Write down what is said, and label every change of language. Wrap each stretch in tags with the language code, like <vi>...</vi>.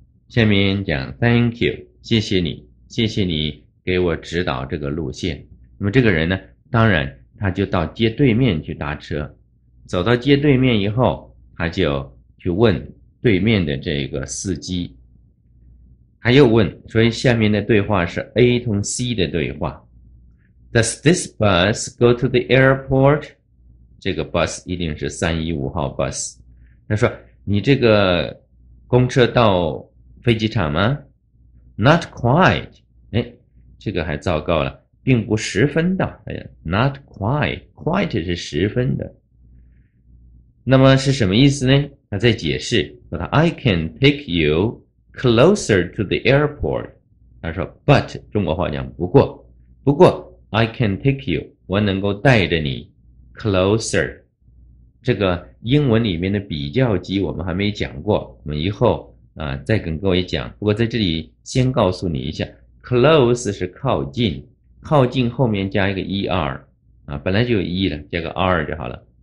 <zh>下面讲</zh> <en>thank you，</en> <zh>谢谢你，谢谢你给我指导这个路线。那么这个人呢，当然他就到街对面去搭车，走到街对面以后他就去问对面的这个司机，还又问，所以下面的对话是 A 同 C 的对话。</zh> <en>Does this bus go to the airport？</en> <zh>这个 bus 一定是315号 bus。 他说你这个公车到飞机场吗？</zh> <en>Not quite。</en> <zh>哎，这个还糟糕了，并不十分到。哎呀，</zh> <en>not quite，</en> <zh>quite 是十分的。那么是什么意思呢？他在解释，说他</zh> <en>I can take you closer to the airport。</en> <zh>他说 but 中国话讲不过</zh> <en>I can take you</en> <zh>我能够带着你 closer。这个英文里面的比较级我们还没讲过，我们以后啊再跟各位讲。不过在这里先告诉你一下 ，close 是靠近，靠近后面加一个 er 啊，本来就有 e 了，加个 r 就好了。</zh>